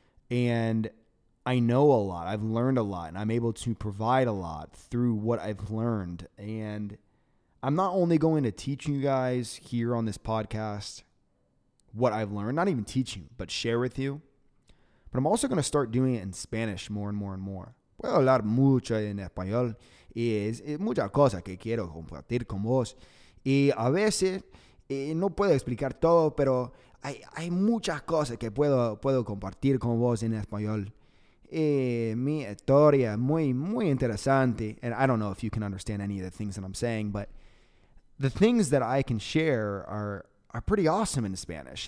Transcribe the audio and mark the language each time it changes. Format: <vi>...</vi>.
<en>And I know a lot. I've learned a lot, and I'm able to provide a lot through what I've learned. And I'm not only going to teach you guys here on this podcast what I've learned, not even teach you, but share with you, but I'm also going to start doing it in Spanish more and more and more.</en> <es>Puedo hablar mucho en español. Es muchas cosas que quiero compartir con vos. Y a veces no puedo explicar todo, pero hay muchas cosas que puedo compartir con vos en español. Mi historia muy, muy interesante.</es> <en>And I don't know if you can understand any of the things that I'm saying, but the things that I can share are pretty awesome in Spanish.</en>